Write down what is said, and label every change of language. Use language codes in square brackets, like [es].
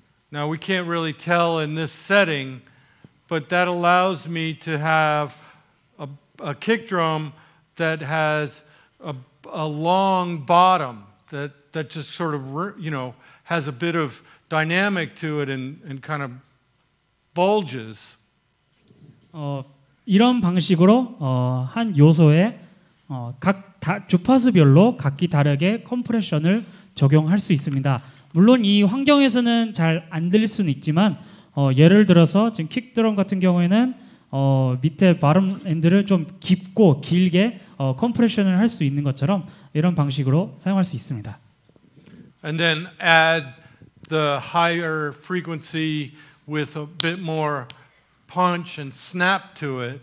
[en] Now we can't really tell in this setting, but that allows me to have a kick drum that has a long bottom that just sort of, you know, has a bit of dynamic to it and kind of bulges. [ko] 이런 방식으로 한 요소에 각 다, 주파수별로 각기 다르게 컴프레션을 적용할 수 있습니다. 물론 이 환경에서는 잘 안 들릴 수는 있지만 예를 들어서 지금 킥드럼 같은 경우에는 밑에 바텀 엔드를 좀 깊고 길게 컴프레션을 할 수 있는 것처럼 이런 방식으로 사용할 수 있습니다. [en] And then add the higher frequency with a bit more punch and snap to it.